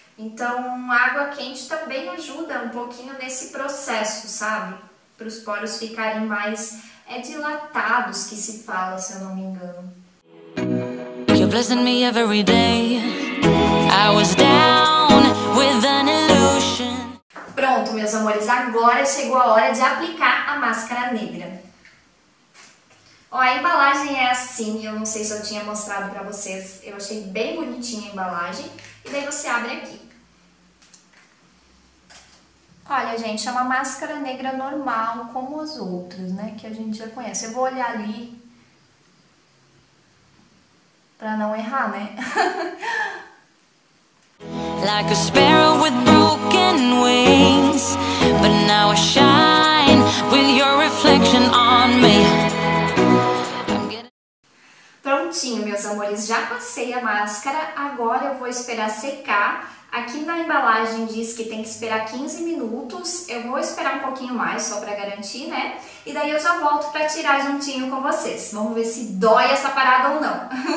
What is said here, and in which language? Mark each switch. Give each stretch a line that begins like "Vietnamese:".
Portuguese: Então, água quente também ajuda um pouquinho nesse processo, sabe? Para os poros ficarem mais dilatados, que se fala, se eu não me engano.
English: You're blessing me every day. I was down with an illusion.
Portuguese: Pronto, meus amores, agora chegou a hora de aplicar a máscara negra. Ó, a embalagem é assim, eu não sei se eu tinha mostrado pra vocês. Eu achei bem bonitinha a embalagem. E daí você abre aqui. Olha, gente, é uma máscara negra normal, como as outras, né? Que a gente já conhece. Eu vou olhar ali pra não errar, né?
English: Like a sparrow with broken wings, but now I shine with your reflection on me.
Portuguese: Prontinho, meus amores, já passei a máscara, agora eu vou esperar secar. Aqui na embalagem diz que tem que esperar 15 minutos, eu vou esperar um pouquinho mais só pra garantir, né? E daí eu já volto pra tirar juntinho com vocês, vamos ver se dói essa parada ou não.